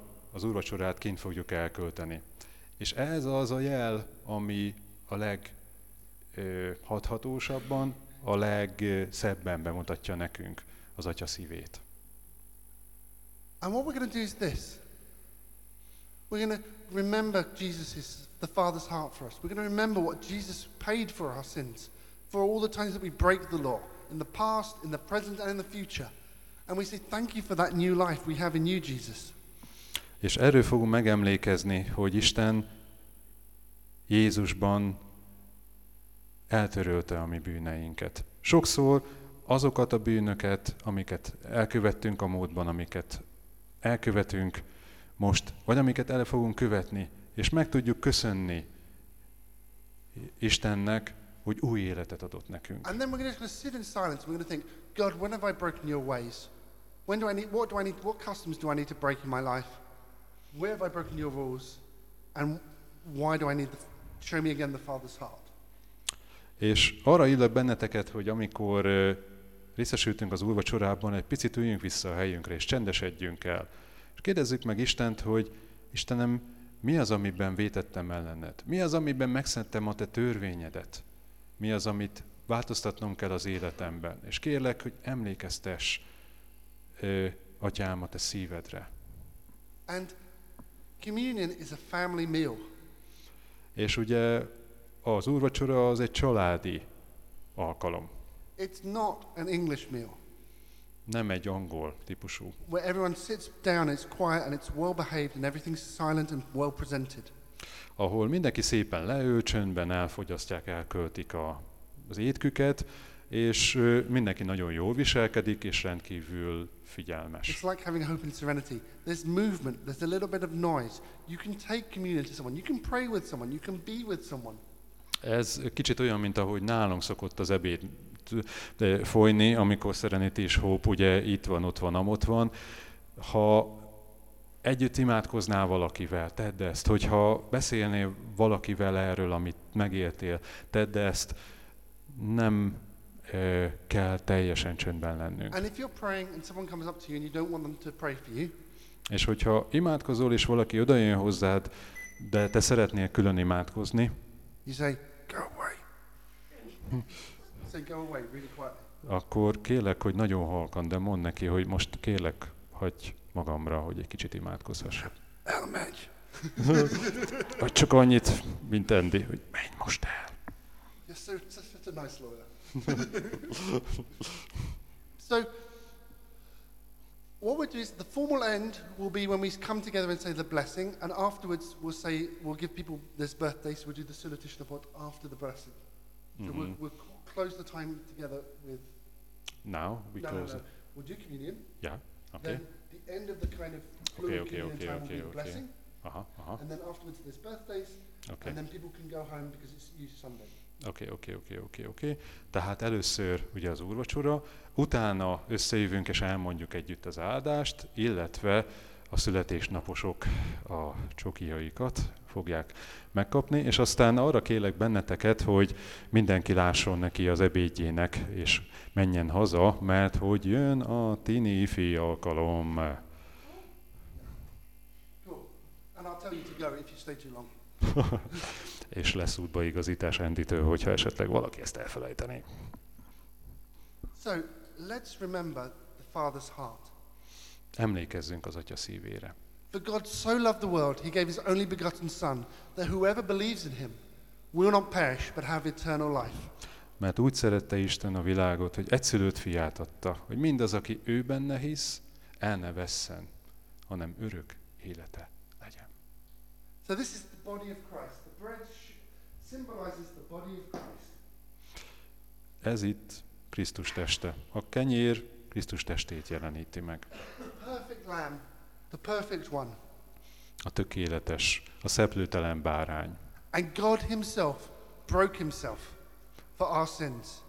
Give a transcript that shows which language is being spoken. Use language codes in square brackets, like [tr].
[hu] Az úrvacsorát kint fogjuk elkölteni. És ez az a jel, ami a leghathatósabban, a legszebben bemutatja nekünk az Atya szívét. [en] And what we're going to do is this. We're going to remember Jesus's the Father's heart for us. We're going to remember what Jesus paid for our sins, for all the times that we break the law. In the past, in the present, and in the future. And we say thank you for that new life we have in you, Jesus. [hu] És erről fogunk megemlékezni, hogy Isten Jézusban eltörölte a mi bűneinket. Sokszor azokat a bűnöket, amiket elkövettünk a módban, amiket elkövetünk most, vagy amiket el fogunk követni, és meg tudjuk köszönni Istennek, hogy új életet adott nekünk. [en] And then we're just going to sit in silence. We're going to think, God, when have I broken your ways? When do I need, what do I need, what customs do I need to break in my life? Where have I broken your rules? And why do I need, show me again the Father's heart. [hu] És arra illet benneteket, hogy amikor részesültünk az úrvacsorában, egy picit üljünk vissza a helyünkre, és csendesedjünk el. És kérdezzük meg Istent, hogy Istenem, mi az, amiben vétettem ellened? Mi az, amiben megszentem a te törvényedet? Mi az, amit változtatnom kell az életemben? És kérlek, hogy emlékeztess atyám a te szívedre. [en] And communion is a family meal. [hu] És ugye az úrvacsora az egy családi alkalom. [en] It's not an English meal. [hu] Nem egy angol típusú. [en] Where everyone sits down, it's quiet and it's well behaved and everything's silent and well presented. [hu] Ahol mindenki szépen leül, csöndben elfogyasztják, elköltik az étküket, és mindenki nagyon jól viselkedik, és rendkívül figyelmes. [en] It's like having hope and serenity. There's movement, there's a little bit of noise. You can take communion to someone, you can pray with someone, you can be with someone. [hu] Ez kicsit olyan, mint ahogy nálunk szokott az ebéd folyni, amikor Serenity és Hope ugye itt van, ott van, amott van. Ha együtt imádkoznál valakivel, tedd ezt, hogyha beszélnél valakivel erről, amit megéltél, tedd ezt, nem kell teljesen csöndben lennünk. [en] And if you're praying and someone comes up to you and you don't want them to pray for you. [hu] És hogyha imádkozol és valaki odajön hozzád, de te szeretnél külön imádkozni. [en] You say, go away. Say, go away, really quietly. [hu] Akkor kérlek, hogy nagyon halkan, de mondd neki, hogy most kérlek, hagy magamra, hogy egy kicsit imádkozhassam. Elmegy! Vagy csak annyit, mint Andy, hogy menj most el! [en] You're so, such a nice lawyer. So, what we'll do is, the formal end will be when we come together and say the blessing, and afterwards we'll say, we'll give people this birthday, so we'll do the salutation of what after the blessing. So mm-hmm. we'll close the time together with... Now? We no, close no, no, no. We'll do communion. Yeah, okay. Then the end of the kind of fluid communion time will be a blessing. And then afterwards there's birthdays, okay. And then people can go home because it's usually Sunday. Okay. [hu] Tehát először ugye az úrvacsora, utána összejövünk és elmondjuk együtt az áldást, illetve a születésnaposok a csokijaikat fogják megkapni, és aztán arra kérlek benneteket, hogy mindenki lásson neki az ebédjének, és menjen haza, mert hogy jön a tini ifi alkalom. [en] Cool. And I'll tell you to go if you stay too long. [hu] És lesz útbaigazítás Andytől, hogyha esetleg valaki ezt elfelejteni. [en] So, let's remember the Father's heart. [hu] Emlékezzünk az Atya szívére. [en] For God so loved the world, he gave his only begotten son, that whoever believes in him will not perish, but have eternal life. [hu] Mert úgy szerette Isten a világot, hogy egyszülött fiát adta, hogy mindaz, aki ő benne hisz, el ne vesszen, hanem örök élete legyen. [en] So this is the body of Christ. The bread symbolizes the body of Christ. [hu] Ez itt Krisztus teste. A kenyér Krisztus testét jeleníti meg. [en] The perfect lamb, the perfect one. [hu] A tökéletes, a szeplőtelen bárány. [en] And God himself broke himself for our sins.